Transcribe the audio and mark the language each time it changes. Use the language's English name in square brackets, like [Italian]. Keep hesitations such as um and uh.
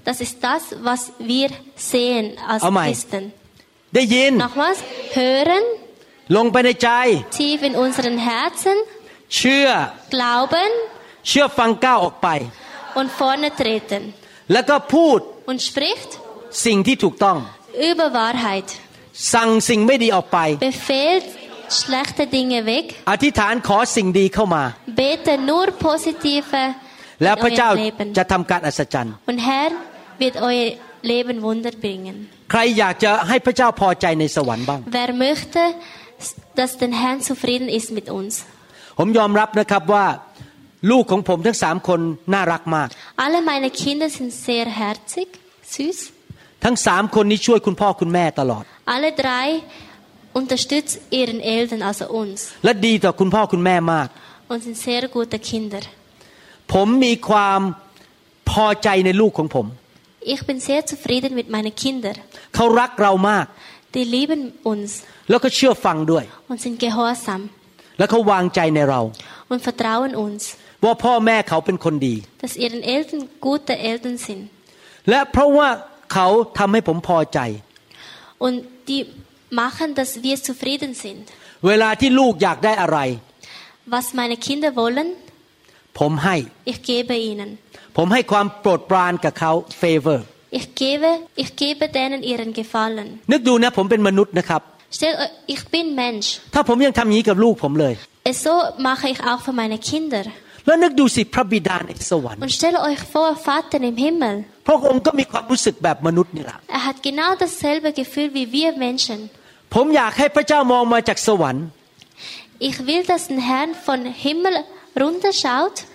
[German] Das ist das was wir sehen als Christen [Thai] เอาใหม่ oh ได้ยิน [German] noch was hören [Thai] ลงไปในใจ [German] tief in unseren Herzen [Thai] เชื่อ [German] glauben [Thai] เชื่อฟังก้าวออกไป [German] und vorne treten [Thai] แล้วก็พูด [German] und spricht [Thai] สิ่งที่ถูกต้อง [German] über Wahrheit [Thai] สั่งสิ่งไม่ดีออกไป [German] befehlt schlechte Dinge weg [Thai] อธิษฐานขอสิ่งดีเข้ามา [German] bete nur positive [Thai] แล้วพระเจ้าจะทำการอัศจรรย์ [German] und Herr wird euer Leben Wunder bringen. [Thai] ใครอยากจะให้พระเจ้าพอใจในสวรรค์บ้าง [German] Wer möchte, dass der Herr zufrieden ist mit uns? [Thai] ผมยอมรับนะครับว่าลูกของผมทั้งสามคนน่ารักมาก [German] Alle meine Kinder sind sehr herzig, süß. [Thai] ทั้งสามคนนี้ช่วยคุณพ่อคุณแม่ตลอด [German] Alle drei unterstützen ihren Eltern also uns. [Thai] และดีต่อคุณพ่อคุณแม่มาก [German] Und sind sehr gute Kinder. [Thai] ผมมีความพอใจในลูกของผม [German] Ich bin sehr zufrieden mit meinen Kindern. [Thai] เขารักเรามาก [German] Die lieben uns. [Thai] แล้วก็เชื่อฟังด้วย [German] Und sind gehorsam. [Thai] แล้วเขาวางใจในเรา [German] Und vertrauen uns. [Thai] ว่าพ่อแม่เขาเป็นคนดี [German] Dass ihren Eltern gute Eltern sind. [Thai] และเพราะว่าเขาทําให้ผมพอใจ [German] Und die machen, dass wir zufrieden sind. [Thai] เวลาที่ลูกอยากได้อะไร [German] Was meine Kinder wollen. [Thai] ผมให้ [German] Ich gebe ihnen. [Thai] ผมให้ความโปรดปรานกับเขา favor [German] ich gebe ich gebe denen ihren gefallen [Thai] นึกดูนะผมเป็นมนุษย์นะครับ [German] Stell, ich bin Mensch. [Thai] ถ้าผมยังทำงี้กับลูกผมเลย [German] so mache ich auch für meine Kinder. [Thai] แล้วนึกดูสิพระบิดาในสวรรค์ [German] Und stell euch vor, Vater im Himmel. [Thai] พระองค์ก็มีความรู้สึกแบบมนุษย์นี่แหละ [German] Er hat genau dasselbe Gefühl wie wir Menschen. [Thai] ผมอยากให้พระเจ้ามองมาจากสวรรค์ [German] Ich will, dass ein Herr von Himmel runterschaut.